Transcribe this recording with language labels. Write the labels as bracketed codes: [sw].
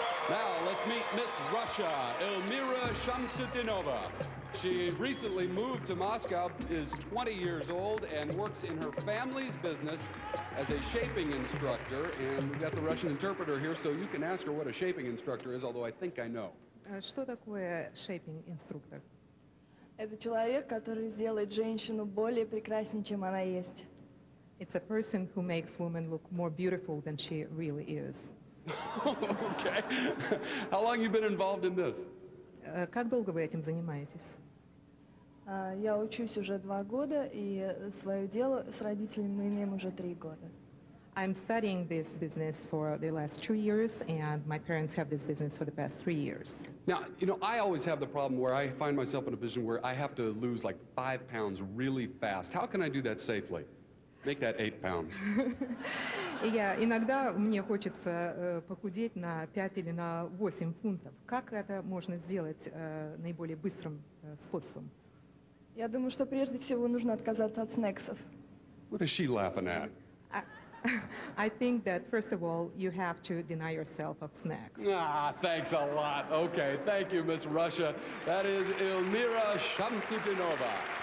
[en] Now, let's meet Miss Russia, Elmira Shamsutdinova. She recently moved to Moscow, is 20 years old, and works in her family's business as a shaping instructor. And we've got the Russian interpreter here, so you can ask her what a shaping instructor is, although I think I know. [ru] Что такое shaping instructor? Это человек, который сделает женщину более прекрасной, чем она есть. [en] It's a person who makes women look more beautiful than she really is. Okay. How long have you been involved in this? [ru] Как долго вы этим занимаетесь? Я учусь уже 2 года, и свое дело с родителями мы имеем уже 3 года. [en] I'm studying this business for the last 2 years, and my parents have this business for the past 3 years. Now, you know, I always have the problem where I find myself in a position where I have to lose like 5 pounds really fast. How can I do that safely? Make that 8 pounds. [ru] Я иногда мне хочется похудеть на 5 или на 8 фунтов. Как это можно сделать наиболее быстрым способом? Я думаю, что прежде всего нужно отказаться от снексов. [en] What is she laughing at? I think that first of all, you have to deny yourself of snacks. Ah, thanks a lot. Okay, thank you, Miss Russia. That is Elmira Shamsutdinova.